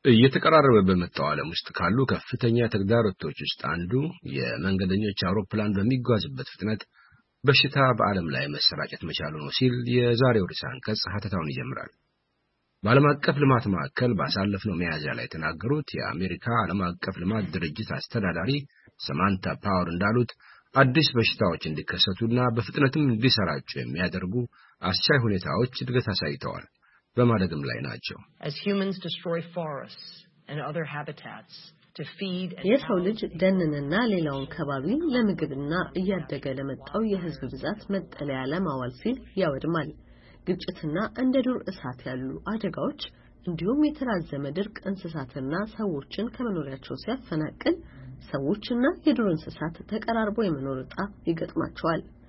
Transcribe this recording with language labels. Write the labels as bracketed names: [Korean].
[Amharic] እየተቀራረበ በመጣው ዓለም ውስጥ ካሉ ከፍተኛ ተግዳሮቶች ውስጥ አንዱ የመንገደኞች አውሮፕላን በሚጓዙበት ፍጥነት በሽታ በዓለም ላይ መሰራጨት መቻሉ ነው ሲል የዛሬው ርዕሰ አንቀጽ ሐተታውን ይጀምራል። በዓለም አቀፍ ልማት ማዕከል ባሳለፍነው ሚያዝያ ላይ ተናገሩት የአሜሪካ ዓለም አቀፍ ልማት ድርጅት አስተዳዳሪ ሰማንታ ፓወር እንዳሉት አዲስ በሽታዎች እንዲከሰቱና በፍጥነትም እንዲሰራጩ የሚያደርጉ አስቻይ ሁኔታዎች እድገት አሳይተዋል፣ በማደግም ላይ ናቸው። [English] As humans destroy forests and other habitats to feed and [Amharic] የሰው ልጅ ደንንና ሌላውን ከባቢ ለምግብና እያደገ ለመጣው የህዝብ ብዛት መጠለያ ለማዋል ሲል ያወድማል። ግጭትና እንደ ዱር እሳት ያሉ አደጋዎች እንዲሁም የተራዘመ ድርቅ እንስሳትና ሰዎችን ከመኖሪያቸው ሲያፈናቅል ሰዎችና የዱር እንስሳት ተቀራርቦ የመኖር ጣ ይገጥማቸዋል።